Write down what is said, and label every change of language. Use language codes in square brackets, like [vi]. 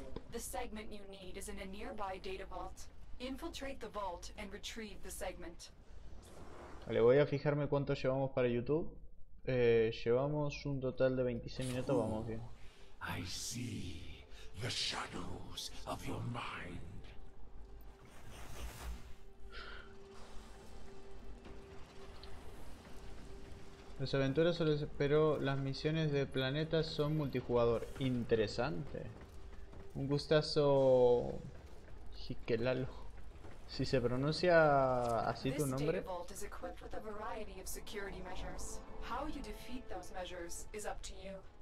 [en] The segment you need is in a nearby data vault. Infiltrate the vault and retrieve the segment. [es] Vale, voy a fijarme cuánto llevamos para YouTube. Llevamos un total de 26 minutos, vamos bien. [en] I see the shadows of your mind. [es] Las aventuras solo espero, las misiones de planeta son multijugador. Interesante. Un gustazo. Jikelalo. Si se pronuncia así tu nombre. [en] This data vault is equipped with a variety of security measures. How you defeat those measures is up to you.